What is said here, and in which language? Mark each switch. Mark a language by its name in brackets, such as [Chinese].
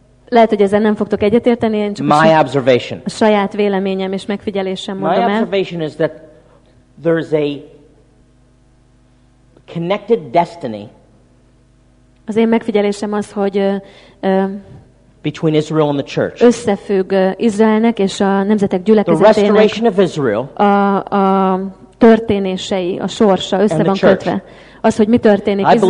[Hungarian] Lehet, hogy ezzel nem fogtok egyetérteni, én csak [English] my observation. [Hungarian] A saját véleményem és megfigyelésem mondom el. [English] My observation is that there's a connected destiny. [Hungarian] Az én megfigyelésem az, hogy [English] between Israel and the church. [Hungarian] Összefügg Izraelnek és a nemzetek gyülekezetének. [English] The restoration of Israel. [Hungarian] A történései, a sorsa össze van kötve. Az, hogy mi történik